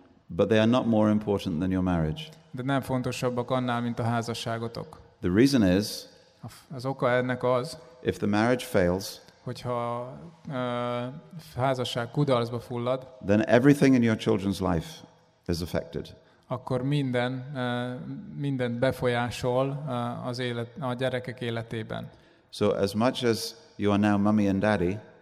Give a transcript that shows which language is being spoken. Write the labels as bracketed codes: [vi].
[en] But they are not more important than your marriage. [hu] De nem fontosabbak annál, mint a házasságotok. [en] The reason is, [hu] az oka ennek az, [en] if the marriage fails, [hu] hogyha házasság kudarcba fullad, [en] then everything in your children's life is affected. [hu] Akkor minden mindent befolyásol az élet a gyerekek életében. [en] So as much as you are now mommy and daddy,